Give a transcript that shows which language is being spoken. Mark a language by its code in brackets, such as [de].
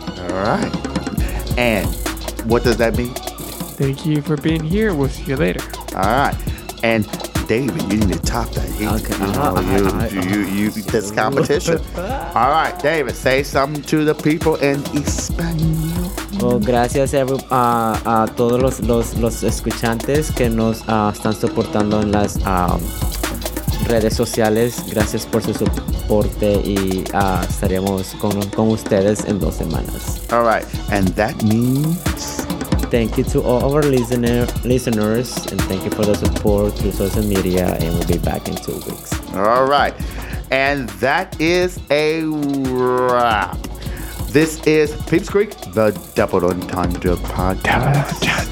[en] All right. And what does that mean? Thank you for being here. We'll see you later. All right. And David, you need to top that. This competition. All right, David, say something to the people in Espanol. [es] Well, gracias a todos los escuchantes que nos están soportando en las redes sociales. Gracias por su soporte y estaremos con ustedes en 2 semanas. [en] All right, and that means... Thank you to all our listeners, and thank you for the support through social media, and we'll be back in 2 weeks. All right, and that is a wrap. This is Peeps Creek, the Double Entendre Podcast.